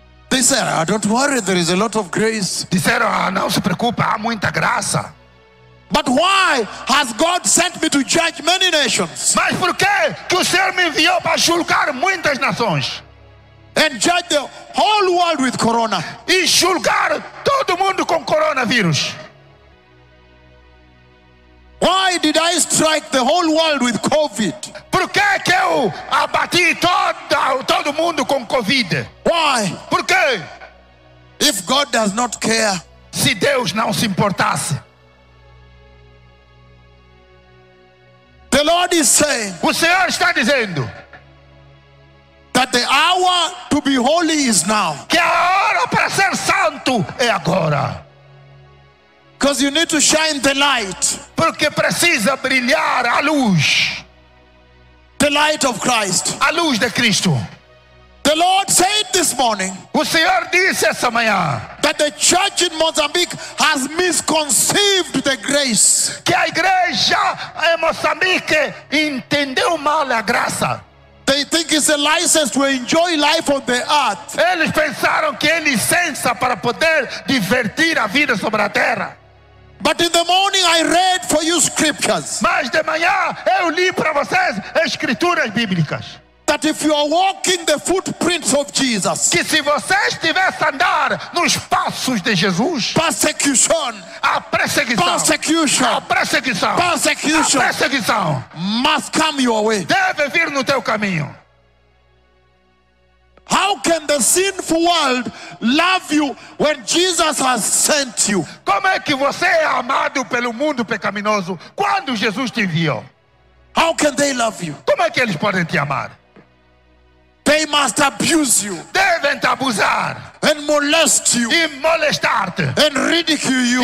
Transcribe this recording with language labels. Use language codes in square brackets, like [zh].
[en] They said, oh, "Don't worry, there is a lot of grace." [pt] Disseram, ah, não se preocupe, há muita graça. [en] But why has God sent me to judge many nations? [pt] Mas por que que o Senhor me enviou para julgar muitas nações? [en] And judge the whole world with corona. [pt] E julgar todo mundo com coronavírus. [en] Why did I strike the whole world with COVID? [pt] Por que que eu abati todo mundo com COVID? [en] Why? [pt] Por que? [en] If God does not care. [pt] Se Deus não se importasse. [en] The Lord is saying. [pt] O Senhor está dizendo. [en] That the hour to be holy is now. [pt] Que a hora para ser santo é agora. [en] Because you need to shine the light. [pt] Porque precisa brilhar a luz. [en] The light of Christ. [pt] A luz de Cristo. [en] The Lord said this morning. [pt] O Senhor disse essa manhã. [en] That the church in Mozambique has misconceived the grace. [pt] Que a igreja em Moçambique entendeu mal a graça. [en] They think it's a license to enjoy life on the earth. [pt] Eles pensaram que é licença para poder divertir a vida sobre a terra. [en] But in the morning I read for you scriptures. [pt] Mas de manhã eu li para vocês escrituras bíblicas. [en] That if you are walking the footprints of Jesus. [pt] Que se você estivesse a andar nos passos de Jesus. [en] Persecution. [pt] A perseguição. [en] Persecution. [pt] A perseguição. [en] Persecution. [pt] A perseguição. [en] Must come your way. [pt] Deve vir no teu caminho. [en] How can the sinful world love you when Jesus has sent you? [pt] Como é que você é amado pelo mundo pecaminoso quando Jesus te enviou? [en] How can they love you? [pt] Como é que eles podem te amar? [en] They must abuse you. [pt] Devem te abusar. [en] And molest you. [pt] E molestar-te. [en] And ridicule you.